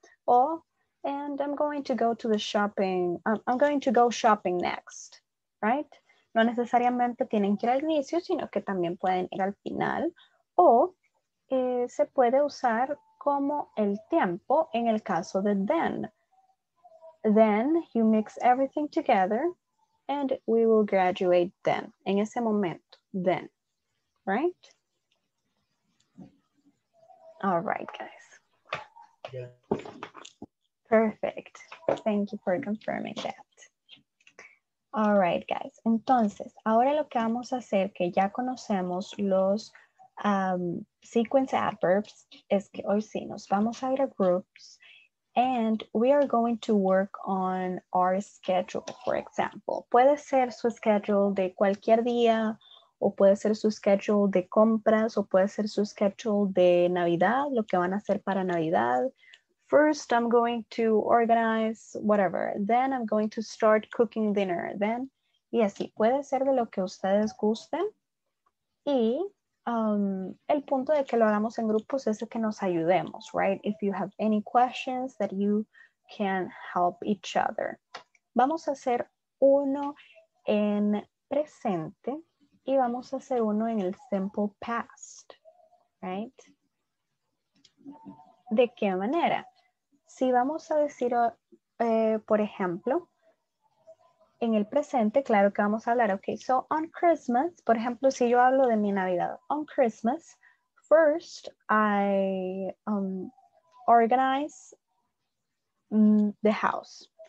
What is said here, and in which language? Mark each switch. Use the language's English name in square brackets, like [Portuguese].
[English] O, and I'm going to go to the shopping, I'm going to go shopping next, right? [Spanish] No necesariamente tienen que ir al inicio, sino que también pueden ir al final. O se puede usar como el tiempo en el caso de then. [English] Then you mix everything together and we will graduate then. [Spanish] En ese momento, then. Right? [English] All right, guys. Yeah. Perfect. Thank you for confirming that. All right, guys. [Spanish] Entonces, ahora lo que vamos a hacer, que ya conocemos los sequence adverbs, es que hoy sí nos vamos a ir a groups. [English] And we are going to work on our schedule, for example. [Spanish] Puede ser su schedule de cualquier día, o puede ser su schedule de compras, o puede ser su schedule de Navidad, lo que van a hacer para Navidad. [English] First, I'm going to organize whatever. Then I'm going to start cooking dinner. [Spanish] Then, y así, puede ser de lo que ustedes gusten. Y el punto de que lo hagamos en grupos es que nos ayudemos, right? [English] If you have any questions that you can help each other. [Spanish] Vamos a hacer uno en presente y vamos a hacer uno en el simple past, right? ¿De qué manera? Si vamos a decir, por ejemplo, en el presente, claro que vamos a hablar, [English] okay, so on Christmas, [Spanish] por ejemplo, si yo hablo de mi Navidad, [English] on Christmas, first I organize the house.